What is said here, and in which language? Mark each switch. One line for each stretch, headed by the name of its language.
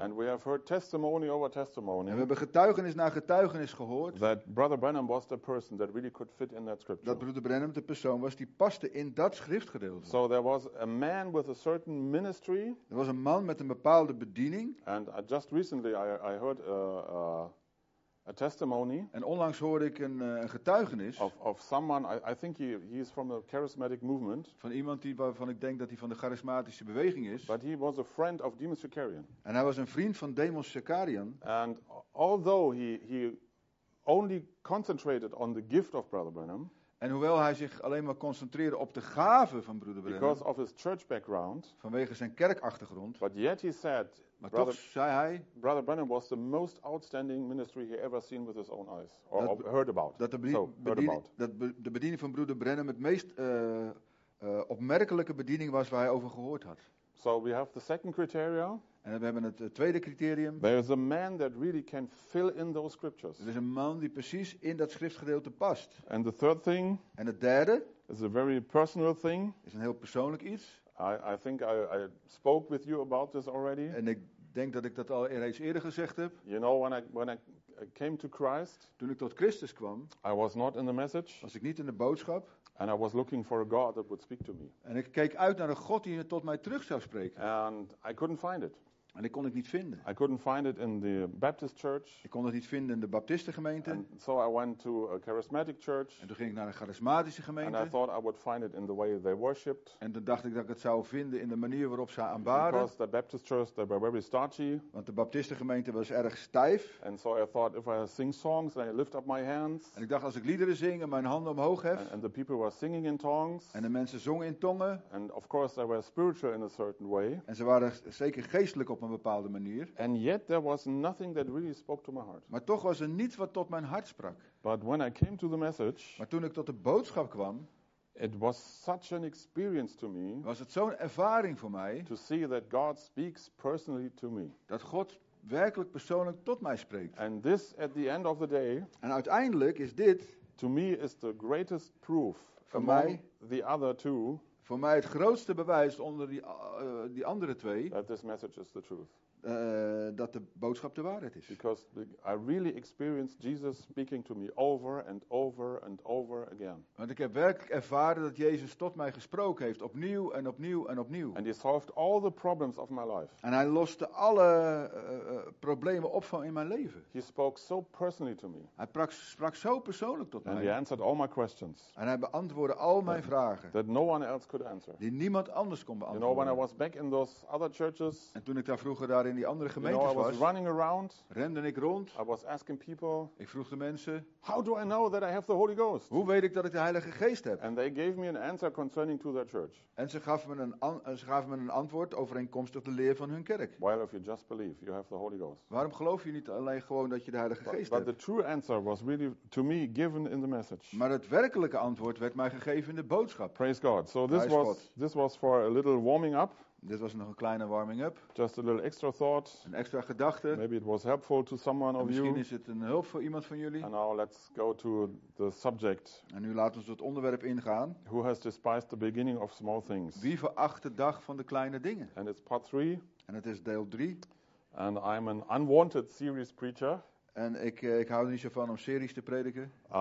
English: And we have heard testimony over testimony.
Dutch: En we hebben getuigenis na getuigenis gehoord.
English: That brother Branham was the person that really could fit in that scripture.
Dutch: Dat broeder Branham de persoon was die paste in dat schriftgedeelte.
English: So there was a man with a certain ministry.
Dutch: Er was een man met een bepaalde bediening.
English: And just recently I heard a testimony.
Dutch: En onlangs hoorde ik een getuigenis.
English: Of someone, I think he is from a charismatic movement.
Dutch: Van iemand die waarvan ik denk dat hij van de charismatische beweging is.
English: But he was a friend of Demas Shakarian.
Dutch: En hij was een vriend van Demas Shakarian.
English: And although he only concentrated on the gift of Brother Branham.
Dutch: En hoewel hij zich alleen maar concentreerde op de gaven van broeder Branham.
English: Because of his church background.
Dutch: Vanwege zijn kerkachtergrond.
English: But yet he said.
Dutch: Maar brother, toch zei hij.
English: Brother Branham was the most outstanding ministry he ever seen with his own eyes. Or dat, heard about.
Dutch: Dat de bediening van broeder Branham het meest opmerkelijke bediening was waar hij over gehoord had.
English: So we have the second criteria.
Dutch: En we hebben het tweede criterium.
English: There is a man that really can fill in those scriptures.
Dutch: Er is een man die precies in dat schriftgedeelte past.
English: And the third thing.
Dutch: En het derde.
English: Is a very personal thing.
Dutch: Is een heel persoonlijk iets.
English: I think I spoke with you about this already.
Dutch: En ik denk dat ik dat al reeds eerder gezegd heb.
English: You know when I came to Christ.
Dutch: Toen ik tot Christus kwam.
English: I was not in the message.
Dutch: Was ik niet in de boodschap.
English: And I was looking for a God that would speak to me.
Dutch: En ik keek uit naar een God die tot mij terug zou spreken.
English: And I couldn't find it.
Dutch: En ik kon het niet vinden.
English: I couldn't find it in the Baptist church.
Dutch: Ik kon het niet vinden in de baptistengemeente.
English: And so I went to a charismatic church.
Dutch: En toen ging ik naar een charismatische gemeente.
English: And I thought I would find it in the way they worshipped.
Dutch: En toen dacht ik dat ik het zou vinden in de manier waarop ze aanbaden.
English: Because the Baptist church, they were very starchy.
Dutch: Want de baptistengemeente was erg stijf.
English: And so I thought if I sing songs and I lift up my hands.
Dutch: En ik dacht als ik liederen zing en mijn handen omhoog hef.
English: And the people were singing in tongues.
Dutch: En de mensen zongen in tongen.
English: And of course they were spiritual in a certain way.
Dutch: En ze waren zeker geestelijk op een bepaalde manier.
English: And yet there was nothing that really spoke to my heart.
Dutch: Maar toch was er niets wat tot mijn hart sprak.
English: But when I came to the message,
Dutch: maar toen ik tot de boodschap kwam,
English: it was such an experience to me.
Dutch: Was het zo'n ervaring voor mij.
English: To see that God speaks personally to me.
Dutch: Dat God werkelijk persoonlijk tot mij spreekt.
English: And this at the end of the day,
Dutch: en uiteindelijk is dit
English: to me is the greatest proof
Dutch: voor mij
English: the other two.
Dutch: Voor mij het grootste bewijs onder die andere twee.
English: That this message is the truth.
Dutch: Dat de boodschap de waarheid is.
English: Because I really experienced Jesus speaking to me over and over and over again.
Dutch: Want ik heb werkelijk ervaren dat Jezus tot mij gesproken heeft, opnieuw en opnieuw en opnieuw.
English: And he solved all the problems of my life.
Dutch: En hij loste alle problemen op van in mijn leven.
English: He spoke so personally to me.
Dutch: Hij sprak zo persoonlijk tot
English: and
Dutch: mij.
English: And he answered all my questions.
Dutch: En hij beantwoordde al mijn vragen.
English: That no one else could answer.
Dutch: Die niemand anders kon beantwoorden.
English: You know, when I was back in those other churches.
Dutch: En toen ik daar vroeger daar in die andere gemeentes,
English: you know,
Dutch: was
English: running around,
Dutch: rende ik rond.
English: I was asking people,
Dutch: ik vroeg de mensen,
English: how do I know that I have the Holy Ghost?
Dutch: Hoe weet ik dat ik de Heilige Geest heb?
English: And they gave me an answer concerning to their church.
Dutch: En ze gaven me een antwoord overeenkomstig de leer van hun kerk.
English: Why if you just believe you have the Holy Ghost?
Dutch: Waarom geloof je niet alleen gewoon dat je de Heilige Geest
English: but But the true answer was really to me given in the message.
Dutch: Maar het werkelijke antwoord werd mij gegeven in de boodschap.
English: Praise God. So this was for a little warming up.
Dutch: Dit was nog een kleine warming up.
English: Just a little extra thought.
Dutch: Een extra gedachte.
English: Maybe it was helpful to someone of you.
Dutch: Misschien is het een hulp voor iemand van jullie.
English: And now let's go to the subject.
Dutch: En nu laten we het onderwerp ingaan.
English: Who has despised the beginning of small things?
Dutch: Wie veracht de dag van de kleine dingen?
English: And it's part 3.
Dutch: En het is deel 3.
English: And I'm an unwanted series preacher.
Dutch: En ik hou er niet zo van om series te prediken.